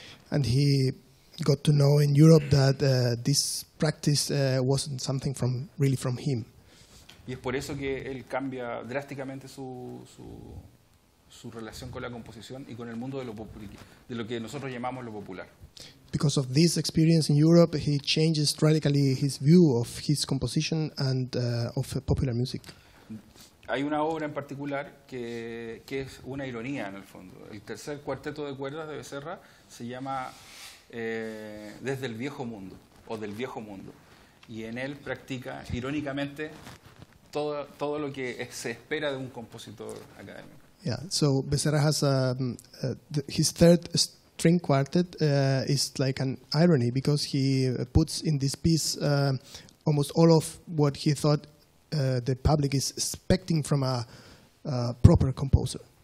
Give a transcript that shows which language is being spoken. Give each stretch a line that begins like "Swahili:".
English: And he got to know in Europe that this practice wasn't something from him.
Spanish: Y es por eso que él cambia drásticamente su relación con la composición y con el mundo de lo que nosotros llamamos lo popular.
English: Because of this experience in Europe, he changes radically his view of his composition and of popular music.
Spanish: Hay una obra en particular que es una ironía en el fondo. El tercer cuarteto de cuerdas de Becerra se llama Desde el Viejo Mundo o Del Viejo Mundo. Y en él practica irónicamente todo lo que se espera de un compositor académico.
English: Yeah, so Becerra has his third string quartet is like an irony because he puts in this piece almost all of what he thought the public is expecting from a proper composer.